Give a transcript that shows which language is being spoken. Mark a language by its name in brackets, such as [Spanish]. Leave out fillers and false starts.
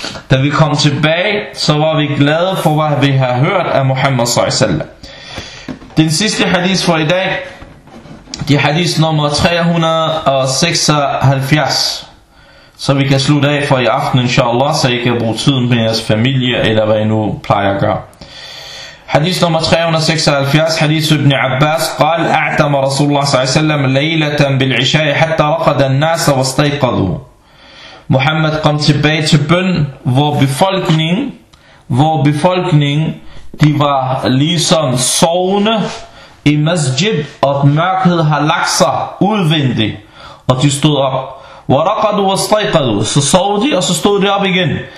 [Danish] Da vi kom tilbage, så var vi glade for, hvad vi har hørt af Muhammad sallallahu. Den sidste hadith for i dag, det er hadith nummer 376. Så vi kan slutte af for i aften, inshallah, så I kan bruge tiden med jeres familie, eller hvad I nu plejer at gøre. Hadith nummer 376, hadith ibn Abbas, [Arabic] قال اعتم رسول الله صلى الله عليه وسلم ليلة بالعشاء حتى رقد الناس واستيقظوا. [Danish] Muhammad kom tilbage til bøn, hvor befolkningen, de var ligesom sovende i masjid, og mørket har lagt sig udvendigt, og de stod op. [Arabic] وَرَقَدُوا وَاسْتَيْقَدُوا. [Danish] Så sov de, og så stod de op igen.